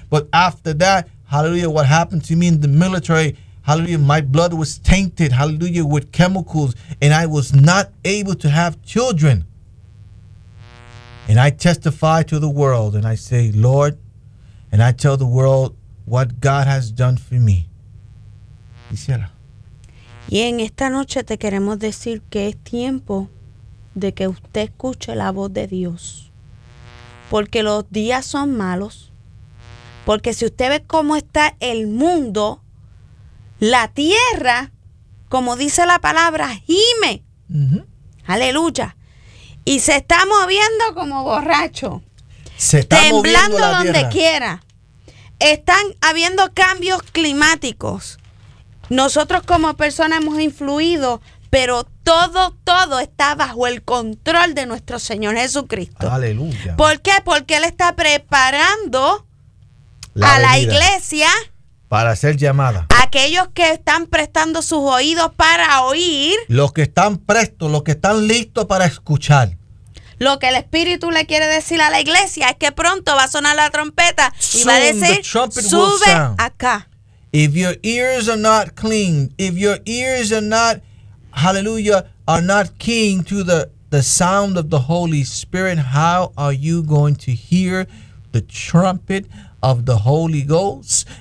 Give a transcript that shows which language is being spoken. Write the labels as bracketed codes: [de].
[en] But after that, hallelujah, what happened to me in the military, hallelujah, my blood was tainted, hallelujah, with chemicals. And I was not able to have children. And I testify to the world and I say, Lord, and I tell the world what God has done for me. [es] Quisiera. Y en esta noche te queremos decir que es tiempo de que usted escuche la voz de Dios, porque los días son malos, porque si usted ve cómo está el mundo, la tierra, como dice la palabra, gime, uh-huh, aleluya, y se está moviendo como borracho, se está temblando donde tierra quiera, están habiendo cambios climáticos, nosotros como personas hemos influido, pero todo está bajo el control de nuestro Señor Jesucristo. Aleluya. ¿Por qué? Porque Él está preparando la a la iglesia para ser llamada. Aquellos que están prestando sus oídos para oír. Los que están prestos, los que están listos para escuchar. Lo que el Espíritu le quiere decir a la iglesia es que pronto va a sonar la trompeta y [en] soon [es] va a decir, sube acá. [en] If your ears are not clean, if your ears are not, hallelujah, are not keen to the sound of the Holy Spirit, how are you going to hear the trumpet of the Holy Ghost?